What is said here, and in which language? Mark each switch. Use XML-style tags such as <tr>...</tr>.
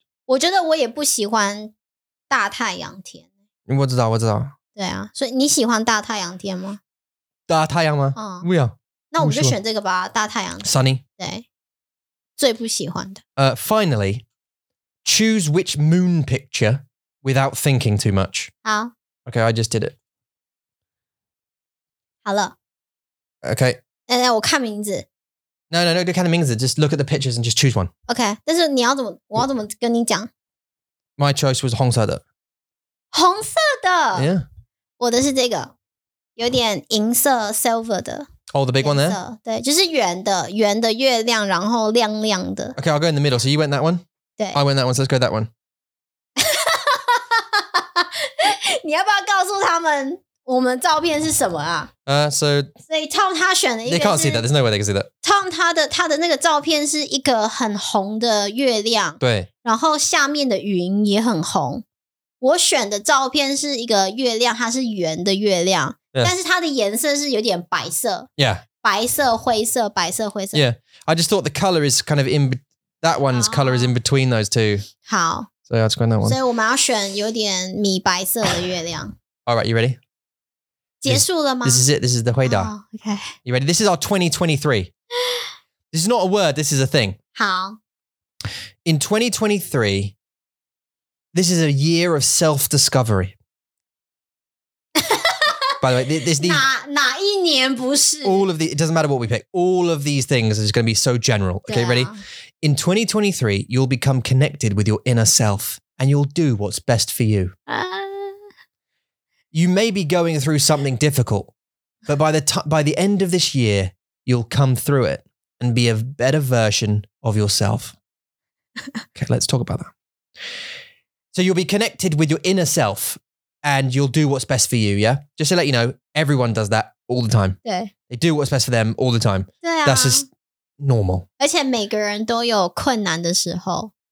<zh>我觉得我也不喜欢大太阳天。我知道。对啊,所以你喜欢大太阳天吗? 大太阳吗? 不要。那我们就选这个吧,大太阳。</zh> <en>Sunny?</en> <zh>对。最不喜欢的。</zh> <en>Finally, choose which moon picture without thinking too much.</en> <zh>好。</zh> <en>Okay, I just did it.</en> <zh>好了。</zh> <en>Okay.</en> <zh>来,我看名字。</zh> <en>No, don't kind of means it. Just look at the pictures and just choose one.</en> <zh>Okay. 但是你要怎么跟你讲?</zh> <en>My choice was</en> <zh>红色的. 红色的?</zh> <en>Yeah.</en> <zh>我的是这个, 有点银色, silver的.</zh> <en>Oh, the big</en> <zh>银色,</zh> <en>one there?</en> <zh>对,就是圆的, 圆的月亮, 然后亮亮的.</zh> <en>Okay, I'll go in the middle. So you went that one?</en> <zh>对。</zh> <en>I went that one, so let's go that one.</en> <zh>你要不要告诉他们?我们照片是什么啊?</zh> <en>So...</en> <zh>所以Tom他选了一个是...</zh> <en>They can't see that. There's no way they can see that.</en> <zh>Tom他的那个照片是一个很红的月亮. 对。然后下面的云也很红. 我选的照片是一个月亮, 它是圆的月亮,</zh> <en>yeah.</en> <zh>但是它的颜色是有点白色。</zh> <en>Yeah.</en> <zh>白色,灰色, 白色,灰色。</zh> <en>Yeah. I just thought the color is kind of in... That one's color is in between those two.</en> <zh>好。</zh> <en>So yeah, let's go on that one.</en> <zh>所以我们要选有点米白色的月亮。</zh> <en>All right, you ready?</en> <zh>结束了吗?</zh> <en>This is it. This is the 回答. Oh, okay. You ready? This is our 2023. This is not a word. This is a thing.</en> <zh>好.</zh> <en>In 2023, this is a year of self-discovery. By the way, it doesn't matter what we pick. All of these things is going to be so general. Okay, ready? In 2023, you'll become connected with your inner self and you'll do what's best for you. You may be going through something difficult, but by the end of this year, you'll come through it and be a better version of yourself. Okay, let's talk about that. So you'll be connected with your inner self and you'll do what's best for you, yeah? Just to let you know, everyone does that all the time. They do what's best for them all the time. That's just normal.</en> <zh>而且每个人都有困难的时候。</zh>